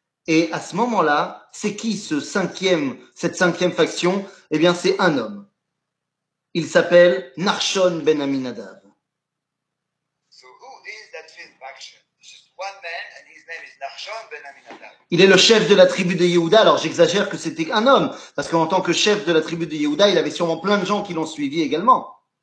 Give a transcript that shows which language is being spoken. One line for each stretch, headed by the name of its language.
French: Et à ce moment-là, c'est qui cette cinquième faction? Eh bien, c'est un homme. Il s'appelle Nachshon ben Aminadab.
English: So who is that fifth faction? Just one man, and his name is Nachshon ben Aminadab.
French: Il est le chef de la tribu de Yehuda. Alors, j'exagère que c'était un homme, parce qu'en tant que chef de la tribu de Yehuda, il avait sûrement plein de gens qui l'ont suivi également.